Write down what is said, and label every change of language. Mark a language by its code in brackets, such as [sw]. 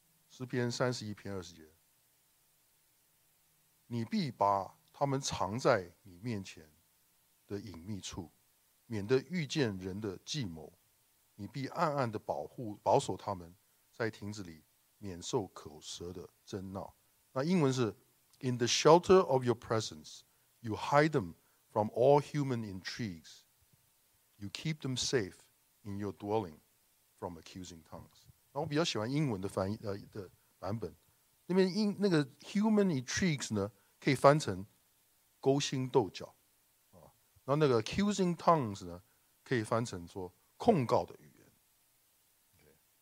[zh] 31:20，你必把他们藏在你面前的隐秘处，免得遇见人的计谋。你必暗暗的保守他们，在亭子里免受口舌的争闹。那英文是 [en] In the shelter of your presence, you hide them from all human intrigues. You keep them safe in your dwelling from accusing tongues. [zh] 那我比较喜欢英文的翻译的版本，那边那个 [en] human intrigues [zh] 呢，可以翻成勾心斗角啊。然后那个 [en] accusing tongues [zh] 呢，可以翻成说控告的语言。 [en] Okay.